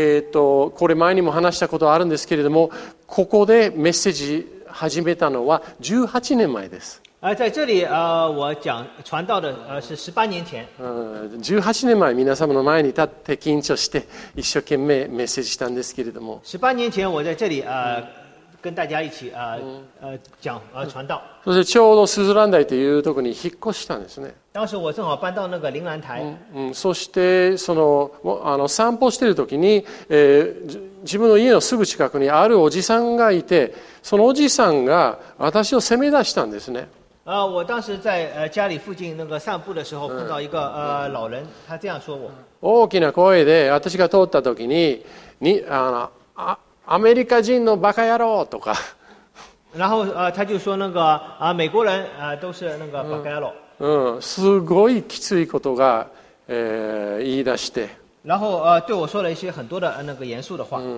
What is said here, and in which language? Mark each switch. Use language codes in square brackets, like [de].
[ja] これ前にも話したことあるんですけれどもここでメッセージ始めたのは18年前です。 [zh] 在这里我讲传道的是18年前。 [ja] 18年前皆様の前に立って緊張して一生懸命メッセージしたんですけれども。 [zh] 18年前我在这里跟大家一起啊讲啊传道。 [ja] そしてちょうどスズラン台というところに引っ越したんですね。 [zh] 当时我正好搬到那个铃兰台。 [ja] そしてその散歩している時に、自分の家のすぐ近くにあるおじさんがいて、そのおじさんが私を責め出したんですね。 [zh] 啊，我当时在家里附近那个散步的时候碰到一个老人，他这样说我。 [ja] 大きな声で私が通った時に、アメリカ人のバカ野郎とか。 [zh] 然后他就说那个美国人都是那个 [ja] バカ野郎。すごいきついことが、言い出して。 [zh] 然后对我说了一些很多的那个严肃的话。